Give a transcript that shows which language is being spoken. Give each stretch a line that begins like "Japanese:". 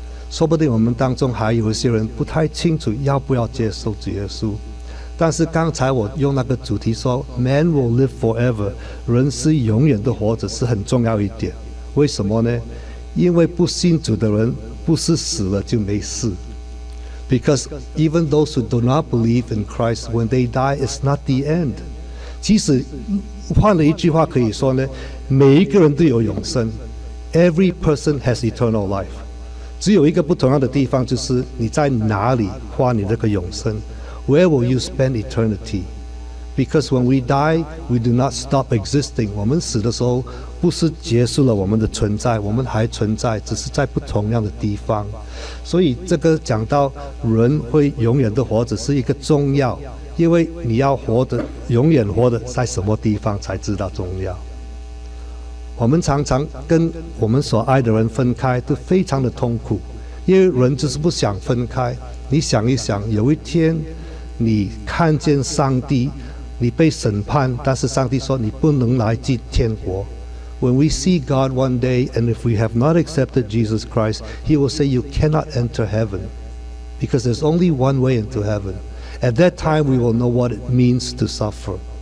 Chinese: 说不定我们当中还有一些人不太清楚要不要接受主耶稣，但是刚才我用那个主题说
English: man will live forever，
Chinese: 人是永远的活着，是很重要一点。为什么呢？因为不信主的人不是死了就没事。
English: Because even those who do not believe in Christ, when they die, it's not the end.
Chinese: 其实换了一句话可以说呢，每一个人都有永生。
English: Every person has eternal life.
Chinese: 只有一个不同样的地方，就是你在哪里花你那个永生。
English: Where will you spend eternity? Because when we die, we do not stop existing.
Chinese: 我们死的时候不是结束了我们的存在，我们还存在，只是在不同样的地方。所以这个讲到人会永远的活着是一个重要，因为你要活的永远活的在什么地方才知道重要。我们常常跟我们所爱的人分开都非常的痛苦，因为人就是不想分开。你想一想，有一天你看见上帝，你被审判，但是上帝说你不能来进天国，
English: When we see God one day, and if we have not accepted Jesus Christ, He will say, you cannot enter heaven, because there's only one way into heaven. At that time, we will know what it means to suffer.